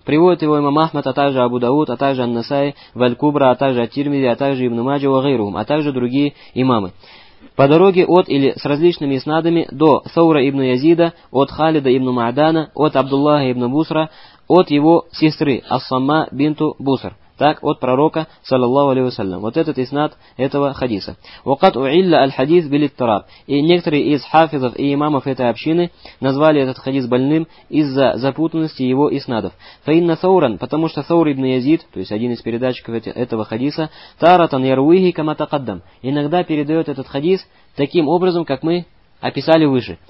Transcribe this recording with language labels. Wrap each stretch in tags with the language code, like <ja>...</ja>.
<ru>Приводит его имам Ахмад, а также Абу Дауд, а также Ан-Насай, Валькубра, а также Ат-Тирмизи, а также Ибн Маджа, а также другие имамы. по дороге от или с различными снадами до Саура ибн Язида, от Халида ибн Маадана, от Абдуллаха ибн Бусра, от его сестры Ас-Сама бинту Буср. Так, от пророка, саллаллаху алейхи ва саллям. Вот этот иснад этого хадиса.</ru> <ar>وقد أعل الحديث بالاضطراب.</ar> <ru>И некоторые из хафизов и имамов этой общины назвали этот хадис больным из-за запутанности его иснадов.</ru> <ar>فَإِنَّ ثَوْرًا,</ar> <ru>потому что Саур ибн Язид, то есть один из передатчиков этого хадиса,</ru> <ar>تَارَةً يَرْوِهِ كَمَ تَقَدَّمْ,</ar> <ru>иногда передает этот хадис таким образом, как мы описали выше.</ru>